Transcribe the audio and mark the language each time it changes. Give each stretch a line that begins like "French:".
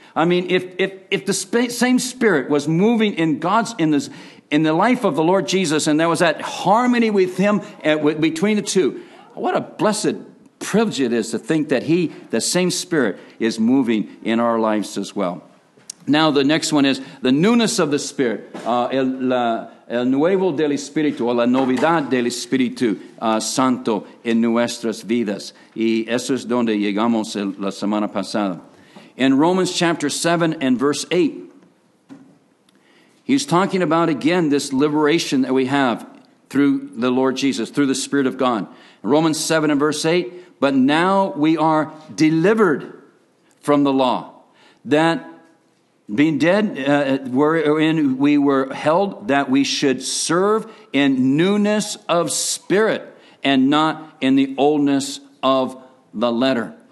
English: I mean, if the same Spirit was moving in God's in the life of the Lord Jesus, and there was that harmony with him between the two, what a blessed privilege it is to think that he, the same Spirit, is moving in our lives as well. Now, the next one is the newness of the Spirit.
Spanish: El nuevo del Espíritu, o la novedad del Espíritu Santo en nuestras vidas. Y eso es donde llegamos la semana pasada.
English: In Romans chapter 7 and verse 8, he's talking about, again, this liberation that we have through the Lord Jesus, through the Spirit of God. Romans 7 and verse 8, but now we are delivered from the law, that being dead, wherein we were held, that we should serve in newness of spirit and not in the oldness of the letter.